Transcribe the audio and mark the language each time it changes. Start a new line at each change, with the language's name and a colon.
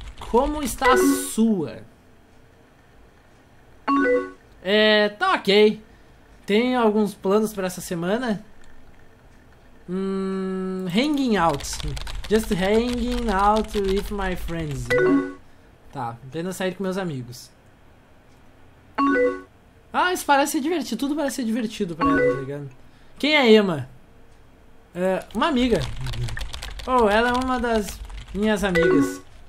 Portuguese: Como está a sua? Tá ok. Tem alguns planos pra essa semana?
English: Hanging out. Just hanging out with my friends.
Portuguese: Tá, apenas sair com meus amigos. Ah, isso parece ser divertido. Tudo parece ser divertido pra ela, tá ligado? Quem é Emma? É uma amiga. Oh, ela é uma das minhas amigas.